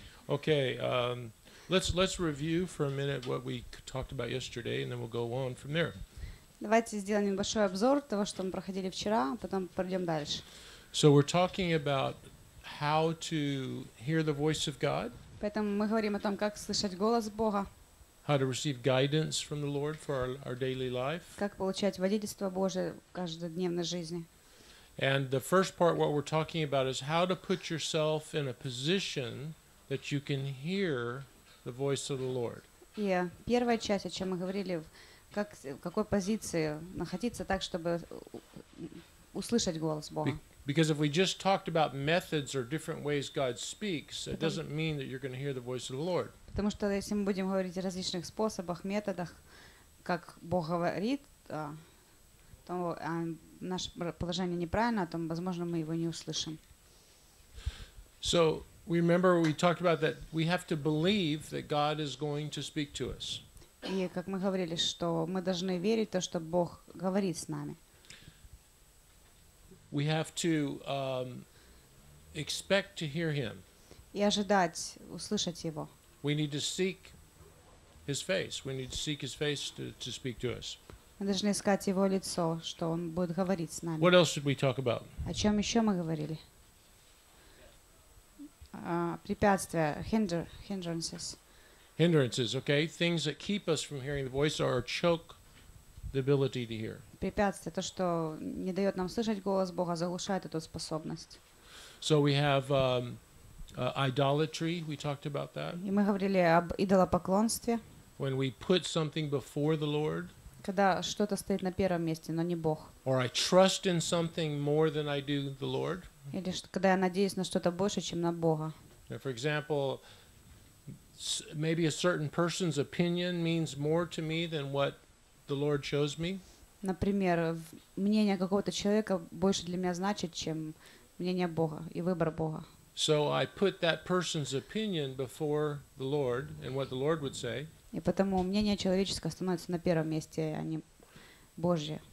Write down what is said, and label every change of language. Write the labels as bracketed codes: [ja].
[en] Okay, let's review for a minute what we talked about yesterday, and then we'll go on from there. [ru] Давайте сделаем небольшой обзор того, что мы проходили вчера, а потом пройдем дальше. [en] So we're talking about how to hear the voice of God. [ru] Поэтому мы говорим о том, как слышать голос Бога. [en] How to receive guidance from the Lord for our daily life. [ru] Как получать водительство Божие в каждодневной жизни. [en] And the first part, what we're talking about, is how to put yourself in a position that you can hear the voice of the Lord. Yeah. [ru] Первая часть, о чем мы говорили, как, в какой позиции находиться так, чтобы услышать голос Бога. [en] Because if we just talked about methods or different ways God speaks, it doesn't mean that you're going to hear the voice of the Lord. [ru] Потому что если мы будем говорить о различных способах, методах, как Бог говорит, то наше положение неправильно, то, возможно, мы его не услышим. [en] So, remember, we talked about that we have to believe that God is going to speak to us. [ru] И как мы говорили, что мы должны верить в то, что Бог говорит с нами. [en] We have to expect to hear Him. [ru] И ожидать услышать Его. [en] We need to seek His face. We need to seek His face to speak to us. [ru] Мы должны искать Его лицо, что Он будет говорить с нами. [en] What else did we talk about? [ru] О чем еще мы говорили? Препятствия, hindrances. [en] Hindrances, okay? Things that keep us from hearing the voice or choke the ability to hear. [ru] Препятствия, то, что не дает нам слышать голос Бога, заглушает эту способность. [en] So we have idolatry, we talked about that. [ru] И мы говорили об идолопоклонстве. [en] When we put something before the Lord. [ru] Когда что-то стоит на первом месте, но не Бог. [en] Or I trust in something more than I do the Lord. [ru] Или когда я надеюсь на что-то больше, чем на Бога. [en] For example, maybe a certain person's opinion means more to me than what the Lord shows me. [ru] Например, мнение какого-то человека больше для меня значит, чем мнение Бога и выбор Бога. [en] So I put that person's opinion before the Lord and what the Lord would say. [ru] И потому мнение человеческое становится на первом месте, а не Божье.